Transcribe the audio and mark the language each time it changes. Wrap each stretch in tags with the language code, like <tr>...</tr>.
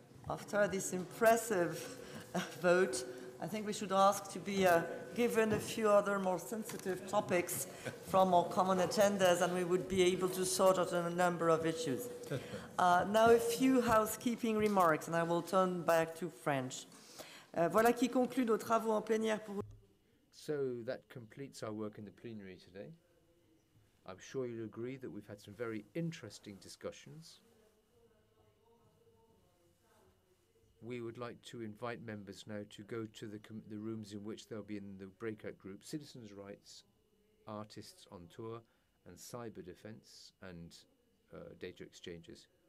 <en>After this impressive vote, I think we should ask to be given a few other more sensitive topics from our common attenders, and we would be able to sort out a number of issues. Now, a few housekeeping remarks, and I will turn back to French.</en> <fr>Voilà qui conclut nos travaux en plénière pour.</fr> <en>So that completes our work in the plenary today. I'm sure you'll agree that we've had some very interesting discussions. We would like to invite members now to go to the rooms in which they'll be in the breakout group, citizens' rights, artists on tour, and cyber defence and data exchanges.</en>